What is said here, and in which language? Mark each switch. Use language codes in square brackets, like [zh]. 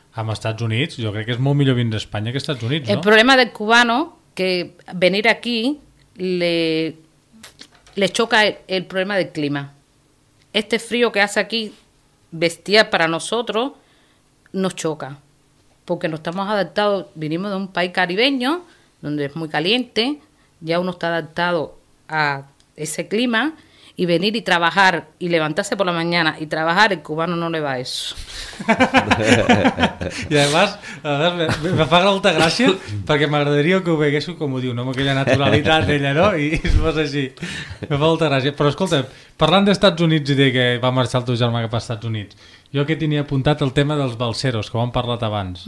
[ca] Amb Estats Units, jo crec que és molt millor venir d'Espanya que Estats Units, no? [es] El problema del cubano, que venir aquí le choca el problema del clima. Este frío que hace aquí, bestial para nosotros, nos choca. Porque no estamos adaptados, vinimos de un país caribeño, donde es muy caliente, ya uno está adaptado a ese clima. Y venir y trabajar y levantarse por la mañana y trabajar, el cubano no le va a eso. Y además, a ver, [ca] me fa molta gràcia perquè m'agradaria que ho veguéssim, com ho diu, no, amb aquella naturalitat d'ella, no? I es fos així. Me fa molta gràcia. Però escolta, parlant d'Estats Units i de que va marxar el teu germà cap als Estats Units, jo que tenia apuntat el tema dels balseros, que ho hem parlat abans.